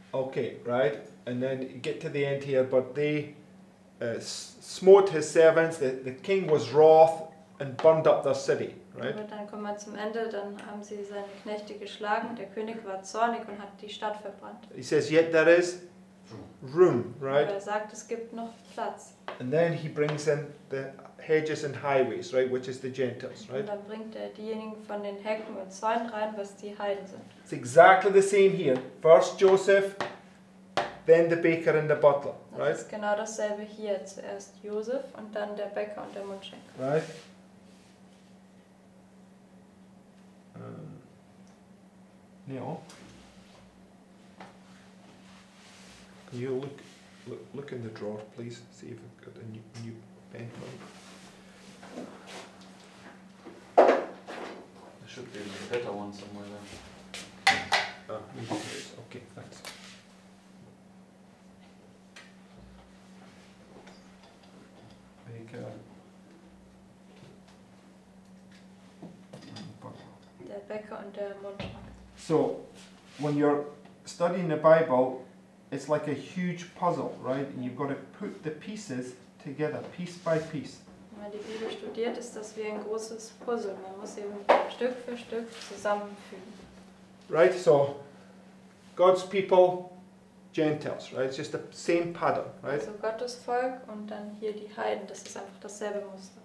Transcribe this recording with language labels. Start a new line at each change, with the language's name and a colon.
English: Okay, right, and then get to the end here, but they smote his servants, the king was wroth and burned up the city. Right.
German: Aber dann kommen wir zum Ende, dann haben sie seine Knechte geschlagen, der König war zornig und hat die Stadt verbrannt.
English: He says, yet there is room, right?
German: Er sagt, es gibt noch Platz.
English: And then he brings in the hedges and highways, right, which is the Gentiles, right?
German: Und dann bringt er diejenigen von den Hecken und Zäunen rein, was die Heiden sind.
English: It's exactly the same here. First Joseph, then the baker and the butler, right?
German: Das ist genau dasselbe hier. Zuerst Joseph und dann der Bäcker und der Mundschenker.
English: Right? Neil, can you look in the drawer, please? See if I've got a new pen. There should be a better one somewhere there. Maybe there is. Okay, thanks. Baker.
German: Der Bäcker und der Mundschenker.
English: So, when you're studying the Bible, it's like a huge puzzle, right? And you've got to put the pieces together, piece by piece.
German: man die Bibel studiert, ist das wie ein großes Puzzle. Man muss eben Stück für Stück zusammenfügen.
English: Right, so God's people, Gentiles, right? It's just the same pattern, right?
German: Also Gottes Volk und dann hier die Heiden, das ist einfach dasselbe Muster.